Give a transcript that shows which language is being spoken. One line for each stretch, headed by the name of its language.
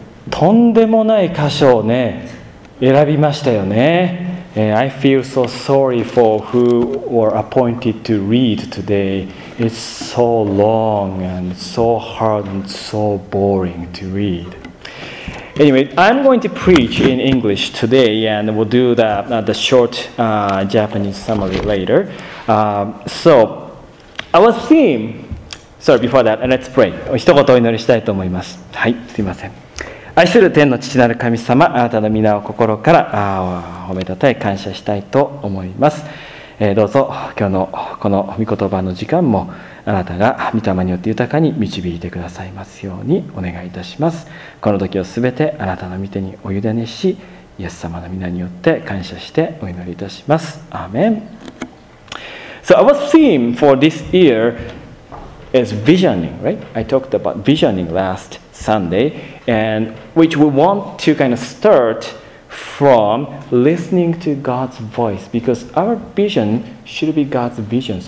Japanese: とんでもない箇所をね、選びましたよね。
English: I feel so sorry for who were appointed to read today. It's so long and so hard and so boring to read. Anyway, I'm going to preach in English today and we'll do the short Japanese summary later. So, our theme... Sorry, before that, let's pray.
Japanese: 一言お祈りしたいと思います。はい、すいません。愛する天の父なる神様、あなたの御名を心から褒めたたえ感謝したいと思います。どうぞ、今日のこの御言葉の時間も、あなたが御霊によって豊かに導いてくださいますようにお願いいたします。この時をすべてあなたの御手にお委ねし、イエス様の御名によって感謝してお祈りいたします。アーメン。
English: So our theme for this year,is visioning, right? I talked about visioning last Sunday, and which we want to kind of start from listening to God's voice, because our vision should be God's vision.